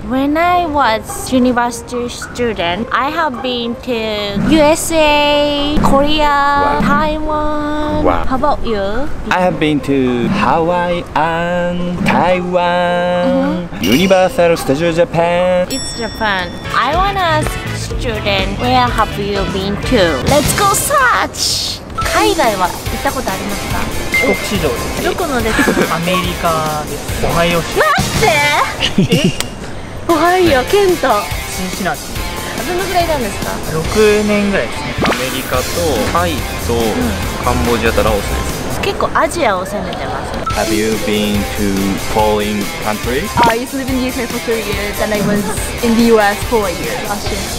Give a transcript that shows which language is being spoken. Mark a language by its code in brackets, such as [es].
[en] When I was university student, I have been to USA, Korea, wow. Taiwan. Wow. How about you? I have been to Hawaii and Taiwan, mm-hmm. Universal Studio Japan. It's Japan. I want to ask student, where have you been to? Let's go search! [ja] 海外は行ったことありますか？帰国市場です。どこのですか？アメリカです。オハイオ州。待って！え？オハイオ、ケント。シンシナティ。どのぐらいなんですか？ 6年ぐらいですね。アメリカとタイとカンボジアとラオスです。結構アジアを攻めてます。 [en] Have you been to foreign countries? I used to live in the UK for 3 years and I was in the US for a year last year.